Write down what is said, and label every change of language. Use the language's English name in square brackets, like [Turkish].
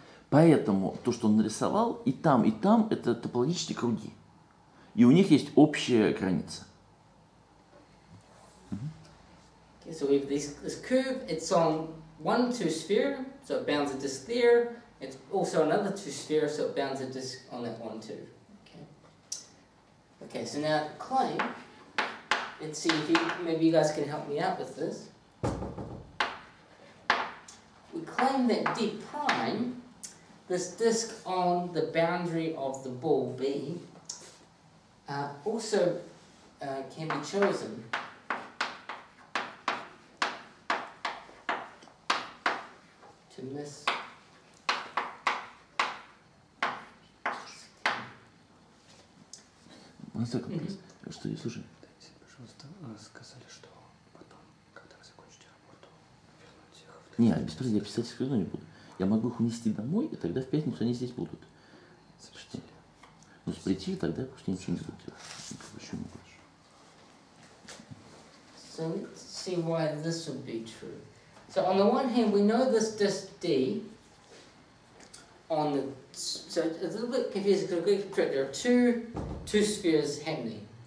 [Russian] Поэтому то, что он нарисовал, и там – это топологические круги. И у них есть общая граница. [English] Okay, so we have this curve, it's on one two sphere, so it bounds a disk there. It's also another two sphere, so it bounds a disk on that one two. Okay, so now the claim, let's see if maybe you guys can help me out with this. We claim that D prime, this disk on the boundary of the ball B, also can be chosen to miss. [Russian] Что здесь, слушай? Дайте, пожалуйста, сказали, что потом, когда вы закончите работу, вернуть их в... Нет, без проблем, я писать их не буду. Я могу их унести домой, и тогда в пятницу они здесь будут. Запретили. Ну, прийти, тогда я просто ничего не буду делать. Вообще не буду. [English] So, let's see why this would be true. So, on the one hand, we know this disk D on the... So, it's a little bit confusing, because I'm going to correct. There are two spheres happening.